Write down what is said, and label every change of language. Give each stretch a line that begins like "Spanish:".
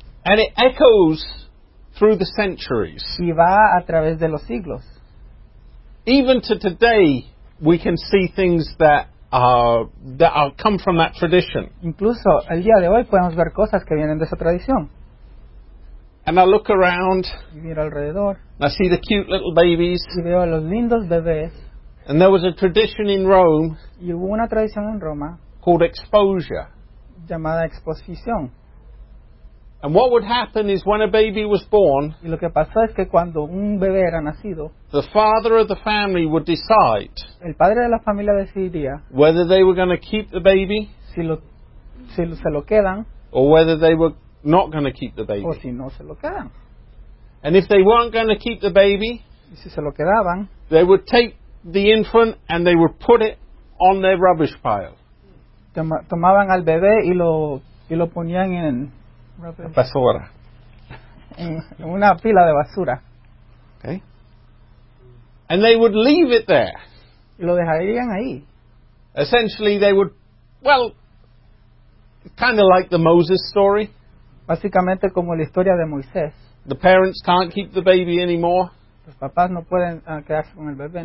English: And it echoes through the centuries.
Spanish: Y va a través de los siglos.
English: Even to today, we can see things that come from that tradition.
Spanish: Incluso el día de hoy podemos ver cosas que vienen de esa tradición.
English: And I look around.
Spanish: Y miro alrededor.
English: And I see the cute little babies.
Spanish: Y veo a los lindos bebés.
English: And there was a tradition in Rome.
Spanish: Y hubo una tradición en Roma.
English: Called exposure.
Spanish: Llamada exposición.
English: And what would happen is when a baby was born.
Spanish: Y lo que pasó es que cuando un bebé era nacido.
English: The father of the family would decide.
Spanish: El padre de la familia decidiría.
English: Whether they were going to keep the baby.
Spanish: Si se lo quedan.
English: Or whether they were not going to keep the baby.
Spanish: O si no se lo quedan.
English: And if they weren't going to keep the baby,
Spanish: y si se lo quedaban,
English: they would take the infant and they would put it on their rubbish pile.
Spanish: Tomaban al bebé y lo ponían en basura. En una pila de basura.
English: Okay. And they would leave it there.
Spanish: Y lo dejarían ahí.
English: Essentially, they would, well, kind of like the Moses story.
Spanish: Básicamente como la historia de Moisés.
English: The parents can't keep the baby anymore.
Spanish: Los papás no pueden quedarse con el bebé.